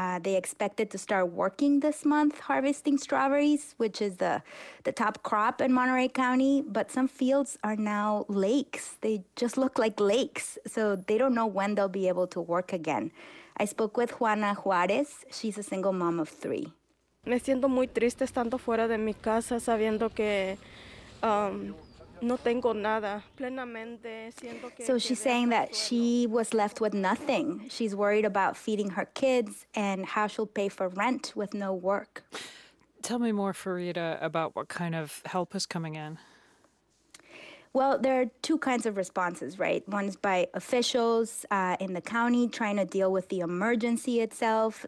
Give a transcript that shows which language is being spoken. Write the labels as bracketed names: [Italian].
[English] They expected to start working this month harvesting strawberries, which is the top crop in Monterey County. But some fields are now lakes. They just look like lakes. So they don't know when they'll be able to work again. I spoke with Juana Juarez. She's a single mom of three. [Spanish] Me siento muy triste estando fuera de mi casa sabiendo que no tengo nada. Plenamente siento que. [English] So she's saying that she was left with nothing. She's worried about feeding her kids and how she'll pay for rent with no work. Tell me more, Farida, about what kind of help is coming in. Well, there are two kinds of responses, right? One is by officials in the county trying to deal with the emergency itself.